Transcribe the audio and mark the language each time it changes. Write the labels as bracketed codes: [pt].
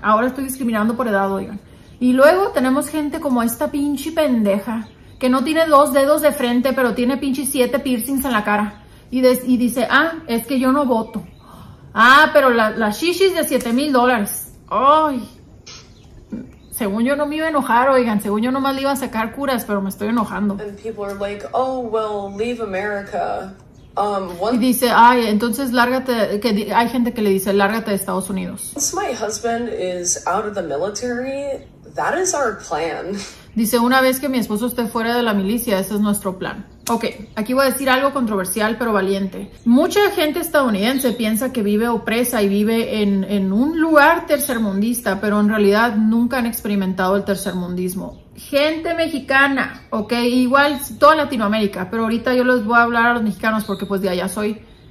[es] Ahora estoy discriminando por edad, oigan. Y luego tenemos gente como esta pinche pendeja que no tiene dos dedos de frente, pero tiene pinche 7 piercings en la cara. Y dice, ah, es que yo no voto. Ah, pero la shishis de $7,000. Ay. Según yo no me iba a enojar, oigan. Según yo nomás le iba a sacar curas, pero me estoy enojando. [en] And people are like, oh, well, leave America. [es] Y dice, ay, entonces lárgate, que hay gente que le dice, lárgate de Estados Unidos. [en] Once my husband is out of the military, that is our plan. [es] Dice, una vez que mi esposo esté fuera de la milicia, ese es nuestro plan. Ok, aquí voy a decir algo controversial pero valiente. Mucha gente estadounidense piensa que vive opresa y vive en un lugar tercermundista, pero en realidad nunca han experimentado el tercermundismo. Gente mexicana, ok, igual toda Latinoamérica, pero ahorita yo les voy a hablar a los mexicanos porque pues de allá soy.